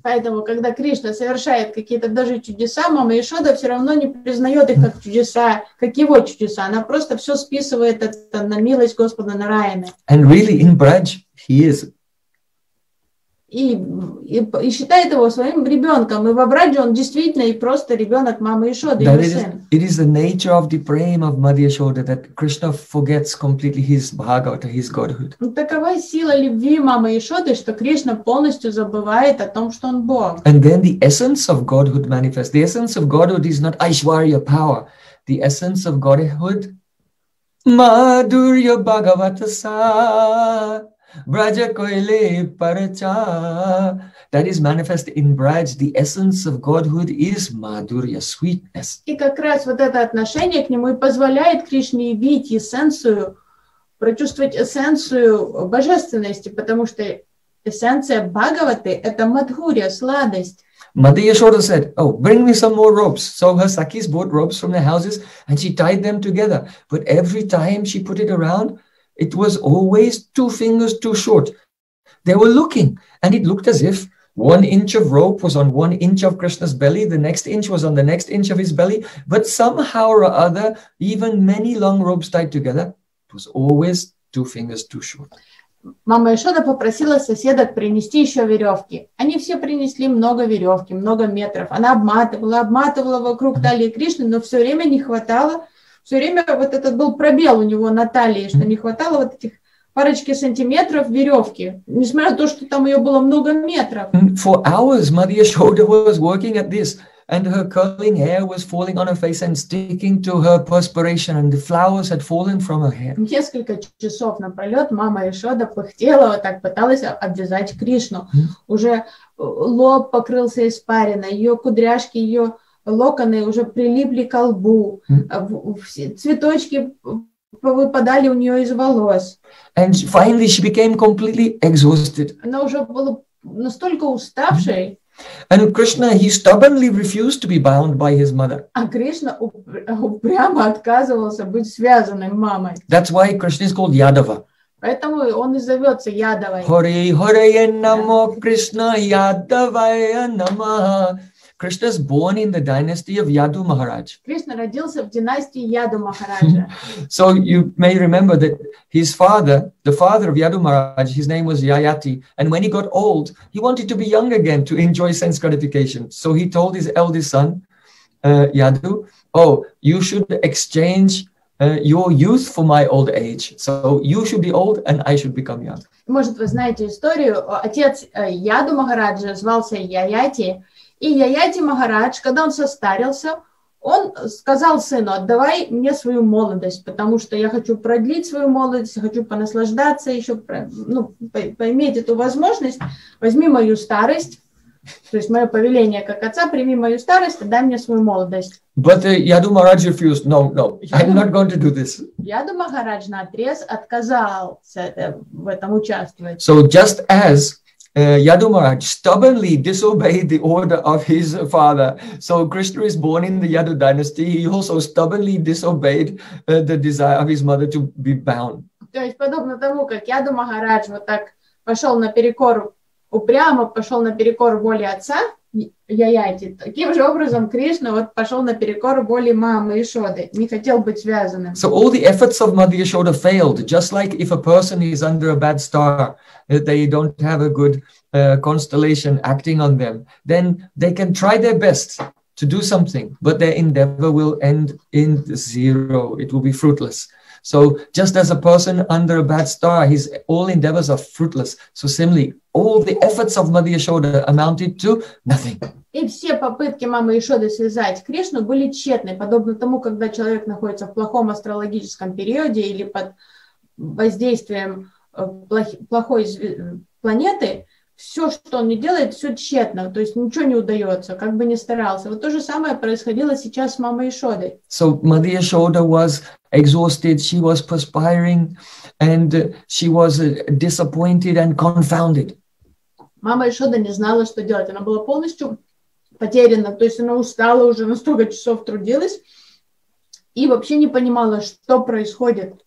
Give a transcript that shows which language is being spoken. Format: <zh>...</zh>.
<ru>Поэтому, когда Кришна совершает какие-то даже чудеса, Мама Ишода все равно не признает их как чудеса, как его чудеса. Она просто все списывает это на милость Господа Нараяны.</ru> <en>And really, in Braj, he is.</en> <ru>И считает его своим ребенком. И во Брадже он действительно и просто ребенок мамы Ишоды, его сын.</ru> <en>It is the nature of the prema of Madhya Shoda that Krishna forgets completely his Bhagavata, his Godhood.</en> <ru>Такова сила любви мамы Ишоды, что Кришна полностью забывает о том, что он Бог.</ru> <en>And then the essence of Godhood manifests. The essence of Godhood is not Aishwarya power. The essence of Godhood Madhurya Bhagavata sa.</en> <bn>Braja koile paracha.</bn> <en>That is manifest in Braj. The essence of Godhood is madhurya, sweetness.</en> <ru>И как раз вот это отношение к нему и позволяет Кришне явить эссенцию, прочувствовать эссенцию божественности, потому что эссенция Бхагаваты – это мадхурья, сладость.</ru> <en>Madhya Yashoda said, oh, bring me some more ropes. So her sakis bought ropes from their houses and she tied them together. But every time she put it around, it was always two fingers too short. They were looking, and it looked as if one inch of rope was on one inch of Krishna's belly, the next inch was on the next inch of his belly, but somehow or other, even many long ropes tied together, it was always two fingers too short.</en> <ru>Мама Ишода попросила соседок принести еще веревки. Они все принесли много веревки, много метров. Она обматывала вокруг талии Кришны, но все время не хватало. Все время вот этот был пробел у него на талии, что не хватало вот этих парочки сантиметров веревки, несмотря на то, что там ее было много метров.</ru> <en>For hours Madhya Shoda was working at this, and her curling hair was falling on her face and sticking to her perspiration, and the flowers had fallen from her hair.</en> <ru>Несколько часов напролет мама Ишода пыхтела, вот так пыталась обвязать Кришну. Уже лоб покрылся испариной, ее кудряшки, ее локоны уже прилипли к лбу, цветочки выпадали у нее из волос.</ru> <en>And finally she became completely exhausted.</en> <ru>Она уже была настолько уставшей.</ru> <en>And Krishna, he stubbornly refused to be bound by his mother.</en> <ru>А Кришна упрямо отказывался быть связанным мамой.</ru> <en>That's why Krishna is called Yadava.</en> <ru>Поэтому он и зовется Ядовой.</ru> <sa>Hare Hare Namo Krishna Yadavaya Namaha.</sa> <en>Krishna is born in the dynasty of Yadu Maharaj.</en> <ru>Krishna родился в династии Яду Махараджа.</ru> <en>So you may remember that his father, the father of Yadu Maharaj, his name was Yayati, and when he got old, he wanted to be young again to enjoy sense gratification. So he told his eldest son, Yadu, oh, you should exchange your youth for my old age. So you should be old and I should become young.</en> <ru>Может, вы знаете историю. Отец Яду Махараджа звался Яяти. И Яяти Махарадж, когда он состарился, он сказал сыну, отдавай мне свою молодость, потому что я хочу продлить свою молодость, хочу понаслаждаться, еще ну, поиметь эту возможность. Возьми мою старость, то есть мое повеление как отца, прими мою старость, отдай мне свою молодость.</ru> <en>But Yadu Maharaj refused. No, no, I'm not going to do this.</en> <ru>Yadu Maharaj наотрез отказался в этом участвовать.</ru> <en>So just as Yadu Maharaj stubbornly disobeyed the order of his father. So Krishna is born in the Yadu dynasty. He also stubbornly disobeyed the desire of his mother to be bound.</en> <ru>То есть подобно тому, как Яду Махарадж вот так пошел наперекор, упрямо пошел наперекор воле отца, Яяти, таким же образом Кришна вот пошел наперекор воле мамы Ишоды, не хотел быть связанным.</ru> <en>So all the efforts of Mother Yashoda failed, just like if a person is under a bad star, they don't have a good constellation acting on them, then they can try their best to do something, but their endeavor will end in zero, it will be fruitless. So just as a person under a bad star, his all endeavors are fruitless. So similarly, all the efforts of Mother Yashoda amounted to nothing.</en> <ru>И все попытки мамы Ишоды связать Кришну были тщетны, подобно тому, когда человек находится в плохом астрологическом периоде или под воздействием плохой планеты, все, что он не делает, все тщетно, то есть ничего не удается, как бы ни старался. Вот то же самое происходило сейчас с мамой Ишодой.</ru> <en>So Mother Yashoda was exhausted, she was perspiring, and she was disappointed and confounded.</en> <ru>Мама Ишода не знала, что делать. Она была полностью потеряна, то есть она устала уже, на столько часов трудилась, и вообще не понимала, что происходит.</ru>